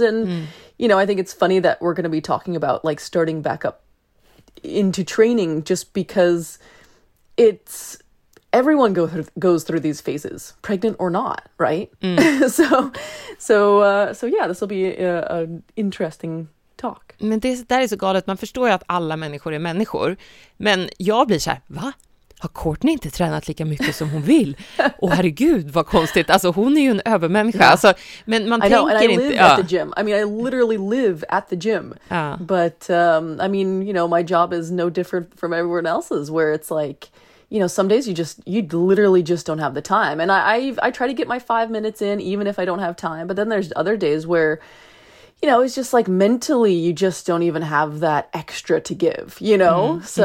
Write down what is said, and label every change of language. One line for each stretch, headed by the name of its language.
English: And, you know, I think it's funny that we're going to be talking about like starting back up into training, just because it's everyone goes through these phases, pregnant or not, right? So this will be an interesting talk.
Swedish: Men det där är så galet. Man förstår ju att alla människor är människor. Men jag blir så här, va? Har Courtney inte tränat lika mycket som hon vill? Åh, herregud, vad konstigt. Alltså, hon är ju en övermänniska. Yeah. Alltså, men man tänker inte...
English: I live at the gym. I mean, I literally live at the gym. But, I mean, you know, my job is no different from everyone else's, where it's like, you know, some days you literally just don't have the time. And I try to get my 5 minutes in, even if I don't have time. But then there's other days where, you know, it's just like mentally, you just don't even have that extra to give, you know?